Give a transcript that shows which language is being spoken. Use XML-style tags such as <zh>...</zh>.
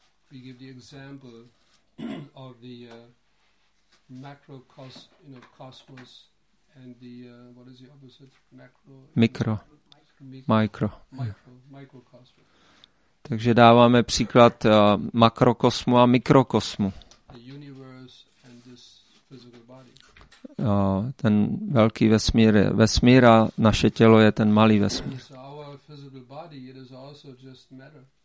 <en>We give the example of the macrocosmos and the what is the opposite microcosmos.</en> <cs>Takže dáváme příklad makrokosmu a mikrokosmu.</cs> <en>The universe and this physical body.</en> <cs>Ten velký vesmír je vesmír a naše tělo je ten malý vesmír.</cs> <en>So our physical body, it is also just matter.</en>